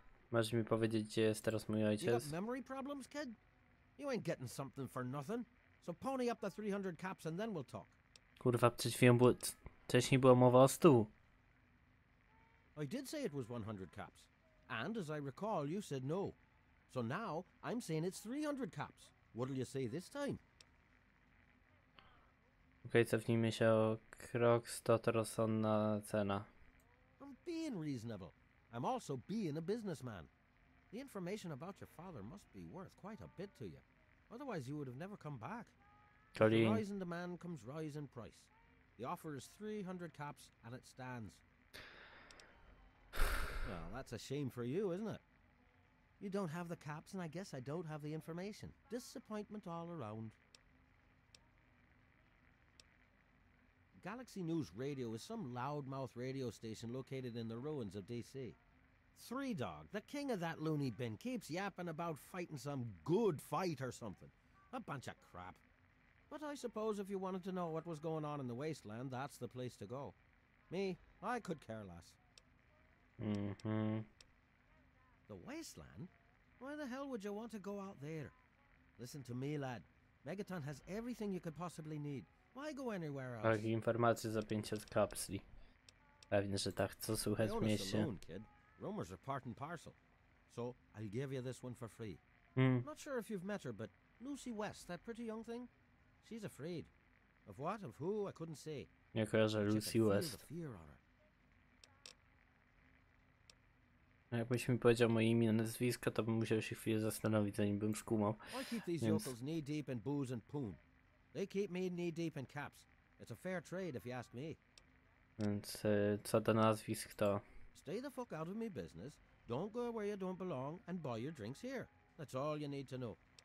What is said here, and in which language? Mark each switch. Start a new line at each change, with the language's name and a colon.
Polish: Masz mi powiedzieć, gdzie jest teraz mój ojciec?
English: You got memory problems, kid? You ain't getting something for nothing. So pony up the 300 caps, and then we'll talk.
Polish: Kurwa, przed chwilą było... Wcześniej była mowa o 100.
English: I did say it was 100 caps. And, as I recall, you said no. So now, I'm saying it's 300 caps. What'll you say this time?
Polish: Okay, cofnijmy się o krok, 100 to rozsądna cena.
English: I'm being reasonable. I'm also being a businessman. The information about your father must be worth quite a bit to you. Otherwise you would have never come back.
Polish: Czyli...
English: The rise in demand comes rise in price. The offer is 300 caps and it stands. Well, that's a shame for you, isn't it? You don't have the caps, and I guess I don't have the information. Disappointment all around. Galaxy News Radio is some loudmouth radio station located in the ruins of DC. Three Dog, the king of that loony bin, keeps yapping about fighting some good fight or something. A bunch of crap. But I suppose if you wanted to know what was going on in the wasteland, that's the place to go. Me, I could care less. Mm-hmm. The wasteland? Why the hell would you want to go out there? Listen to me, lad. Megaton has everything you could possibly need. Why go anywhere else?
Polish: Tak, informacje za 500 kapsli. Pewnie, że tak chcę słuchać w mieście.
English: Alone, kid. Rumors are part and parcel. So, I'll give you this one for free. I'm not sure if you've met her, but Lucy West, that pretty young thing? She's afraid. Of what? Of who? I couldn't say.
Polish: Nie kojarzę Lucy West. Jakbyś mi powiedział moje imię i nazwisko, to bym musiał się chwilę zastanowić, zanim bym skumał.
English: I keep these yokels knee deep in booze and poon. They keep me knee deep in caps. It's a fair trade, if you ask me.
Polish: Więc co do nazwisk to?
English: Stay the fuck out of my business. Don't go where you don't belong and buy your drinks here. That's all you need to know.